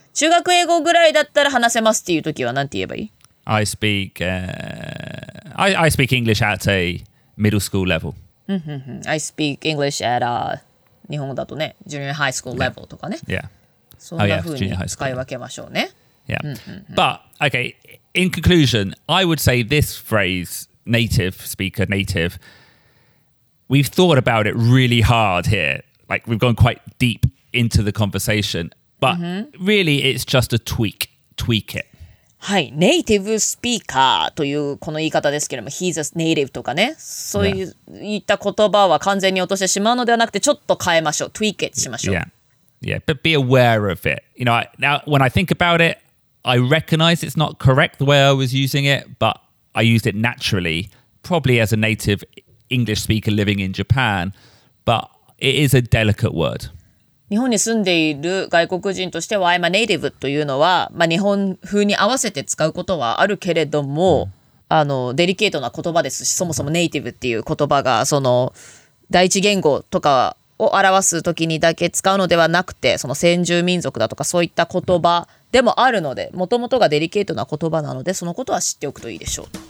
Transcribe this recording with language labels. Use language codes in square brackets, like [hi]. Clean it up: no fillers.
[ja] 中学英語ぐらいだったら話せますっていう時は何て言えばいい? [en] I speak English at a middle school level. I speak English at a, [ja] 日本語だとね、 [en] junior high school level とかね。 Yeah. [ja] そんな風に使い分けましょうね。 [en] Yeah. But, okay, in conclusion, I would say this phrase, native speaker, native, we've thought about it really hard here. Like, we've gone quite deep into the conversation. But really, it's just a tweak. Tweak it. [ja] はい、native speaker というこの言い方ですけども、 [en] he's a native [ja] とかね。そういった言葉は完全に落としてしまうのではなくて、ちょっと変えましょう。 [en] Tweak it [ja] しましょう。 [en] Yeah, but be aware of it. You know, now, when I think about it,I recognize it's not correct the way I was using it, but I used it naturally, probably as a native English speaker living in Japan, but it is a delicate word. [ja] 日本に住んでいる外国人としては、 [en] I'm a native [ja] というのは、まあ、日本風に合わせて使うことはあるけれども、デリケートな言葉ですし、そもそもネイティブっていう言葉が、その第一言語とかを表すときにだけ使うのではなくて、その先住民族だとかそういった言葉、でもあるので、もともとがデリケートな言葉なので、そのことは知っておくといいでしょう。